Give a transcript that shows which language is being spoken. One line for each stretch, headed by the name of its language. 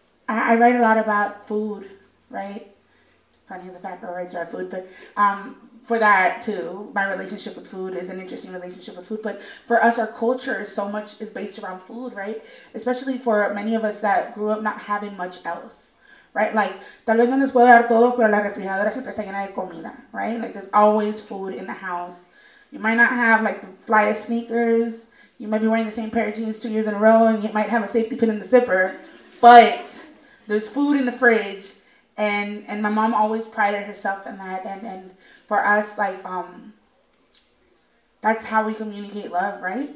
English: I write a lot about food, right? Funny the fact that I write about food, but for that too, my relationship with food is an interesting relationship with food. But for us, our culture is so much is based around food, right? Especially for many of us that grew up not having much else, right? Like,
Spanish: tal vez no les puedo dar todo, pero la refrigeradora siempre está llena de comida,
English: right? Like, there's always food in the house. You might not have like the flyest sneakers. You might be wearing the same pair of jeans 2 years in a row and you might have a safety pin in the zipper, but there's food in the fridge, and my mom always prided herself in that. And for us, like, that's how we communicate love, right?